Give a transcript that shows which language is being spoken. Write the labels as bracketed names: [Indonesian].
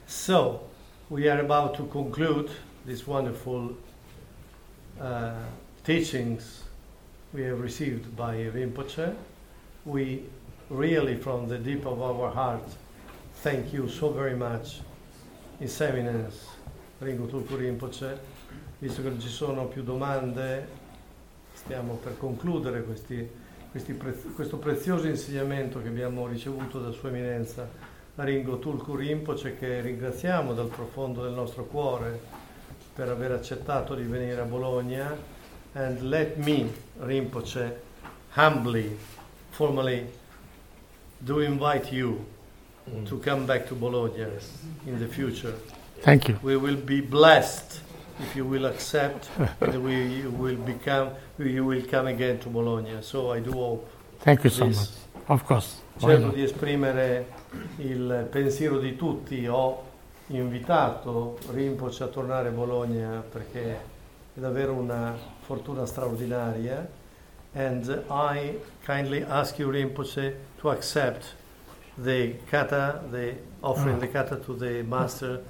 [English] So, we are about to conclude this wonderful teachings we have received by Rinpoche. We really, from the deep of our heart, thank you so very much, His Eminence Ringo Tulku Rinpoche. [Italian] Visto che non ci sono più domande, stiamo per concludere questo prezioso insegnamento che abbiamo ricevuto da Sua Eminenza Ringo Tulku Rinpoche, che ringraziamo dal profondo del nostro cuore per aver accettato di venire a Bologna. [English] And let me, Rinpoche, humbly, formally, do invite you to come back to Bologna in the future. Thank you. We will be blessed if you will accept, and you will come again to Bologna. So I do hope. Thank you so much. Of course. [Italian] Cerco di esprimere il pensiero di tutti. Ho invitato Rinpoche a tornare a Bologna perché è davvero una fortuna straordinaria. [English] And I kindly ask you, Rinpoche, to accept the kata, the offering the kata to the master.